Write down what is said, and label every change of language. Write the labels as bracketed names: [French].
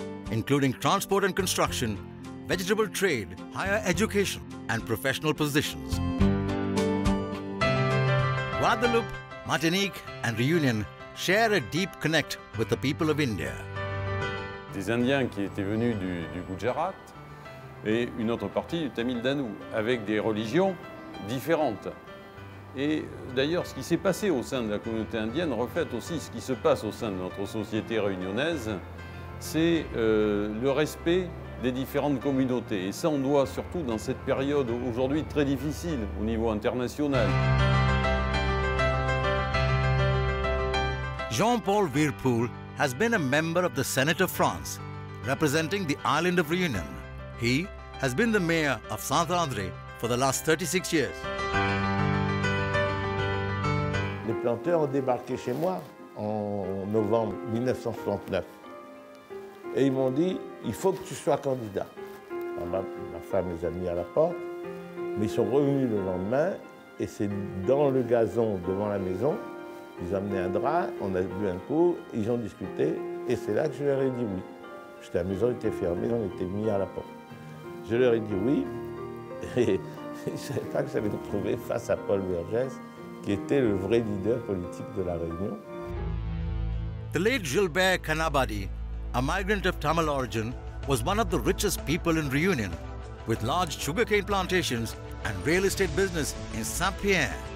[English] Including transport and construction, vegetable trade, higher education, and professional positions. Guadeloupe, Martinique, and Réunion share a deep connect with the people of India. [French] Des Indiens qui étaient venus du Gujarat et une autre partie du Tamil Nadu avec des religions différentes. Et d'ailleurs, ce qui s'est passé au sein de la communauté indienne reflète aussi ce qui se passe au sein de notre société réunionnaise. C'est le respect des différentes communautés. Et ça, on doit surtout dans cette période aujourd'hui très difficile au niveau international. [English] Jean-Paul Virpoul has been a member of the Senate of France, representing the island of Réunion. He has been the mayor of Saint-André for the last 36 years. [French] Les planteurs ont débarqué chez moi en novembre 1969. Et ils m'ont dit, il faut que tu sois candidat. Ma femme les a mis à la porte. Mais ils sont revenus le lendemain et c'est dans le gazon devant la maison. Ils ont amené un drap, on a bu un coup, ils ont discuté. Et c'est là que je leur ai dit oui. La maison était fermée, on était mis à la porte. Je leur ai dit oui. Et je ne savais pas que j'allais me trouver face à Paul Vergès, qui était le vrai leader politique de la Réunion. [English] The late Gilbert Kanabadi, a migrant of Tamil origin, was one of the richest people in Réunion, with large sugarcane plantations and real estate business in Saint-Pierre.